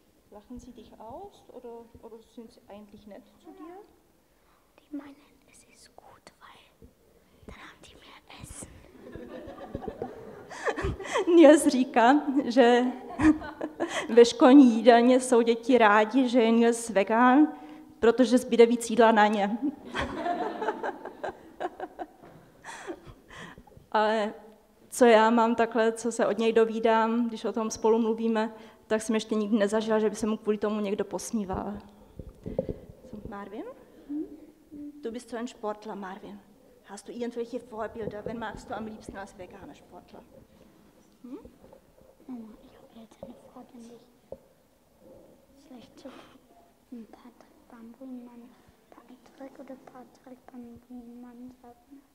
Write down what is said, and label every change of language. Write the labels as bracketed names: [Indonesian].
[German] Lachen sie dich aus oder sind sie eigentlich nett zu dir? Die meinen, es ist gut, weil dann haben die mehr Essen. [Czech] Nils říká, že ve školní jídelně jsou děti rádi, že je Nils vegán, protože zbyde víc jídla na ně. Ale co já mám takhle, co se od něj dovídám, když o tom spolu mluvíme, tak jsem ještě nikdy nezažila, že by se mu kvůli tomu někdo posmíval. [German] Marvin? Du bist so ein Sportler, Marvin. Hast du irgendwelche Vorbilder? Wen magst du am liebsten als veganer Sportler? Ich habe jetzt eine Frau, die mich schlecht zu ein Patrick Babumian, Patrick oder Patrick Babumian sagen.